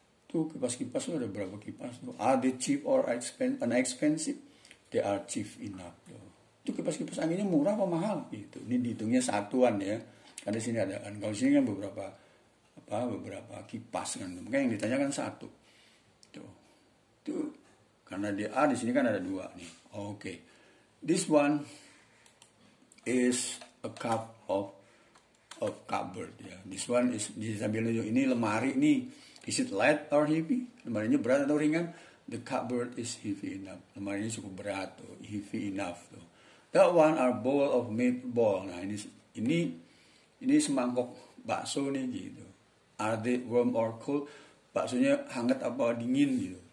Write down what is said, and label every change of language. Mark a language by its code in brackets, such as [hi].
[id] Tuh kipas-kipas tuh ada berapa kipas tuh? [en] Are they cheap or expensive? They are cheap enough [id] tuh. Tuh kipas-kipas anginnya murah apa mahal gitu? Ini dihitungnya satuan ya. Karena sini ada kan, kalau sini kan beberapa apa beberapa kipas kan. Mungkin yang ditanyakan satu tuh. Tuh karena dia di sini kan ada dua nih. [en] Okay, this one is a cup of cupboard ya. This one is [id] di sambil nunjuk ini lemari nih. [en] Is it light or heavy? [id] Lemarinya berat atau ringan? [en] The cupboard is heavy enough. [id] Lemarinya cukup berat tuh, [en] heavy enough tuh. That one are bowl of meatball. [id] Nah ini semangkok bakso nih gitu. [en] Are they warm or cold? [id] Baksonya hangat apa dingin gitu?